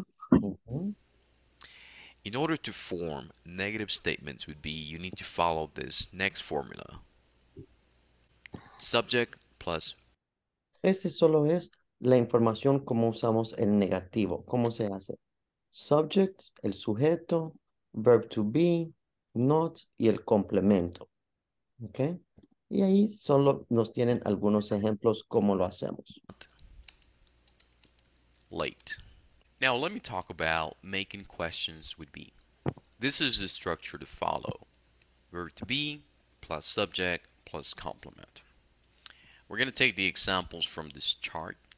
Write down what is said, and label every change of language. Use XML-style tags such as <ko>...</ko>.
<en>In order to form negative statements would be, you need to follow this next formula. Subject plus.</en> <es>Este solo es la información como usamos el negativo. ¿Cómo se hace? Subject, el sujeto, verb to be, not, y el complemento. ¿Ok? Y ahí solo nos tienen algunos ejemplos cómo lo hacemos.</es> <en>Late. Now let me talk about making questions would be. This is the structure to follow. Verb to be plus subject plus complement. We're going to take the examples from this chart.</en>